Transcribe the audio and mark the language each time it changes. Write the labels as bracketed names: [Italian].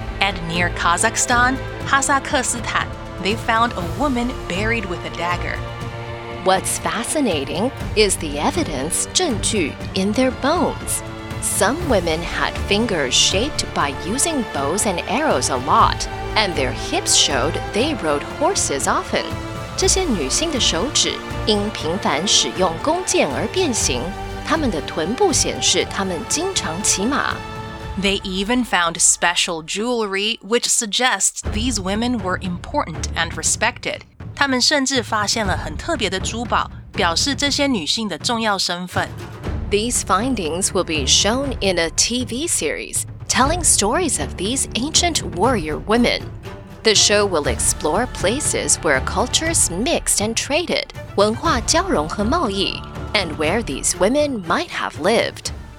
[English] And near Kazakhstan, Kazakhstan, they found a woman buried with a dagger. What's fascinating is the evidence, 证据, in their bones. Some women had fingers shaped by using bows and arrows a lot, and their hips showed they rode horses often. [Chinese] 这些女性的手指因频繁使用弓箭而变形，她们的臀部显示她们经常骑马。 [English] They even found special jewelry, which suggests these women were important and respected. [Chinese] 她们甚至发现了很特别的珠宝，表示这些女性的重要身份。 [English] These findings will be shown in a TV series telling stories of these ancient warrior women. The show will explore places where cultures mixed and traded, [Chinese] 文化交融和贸易, [English] and where these women might have lived.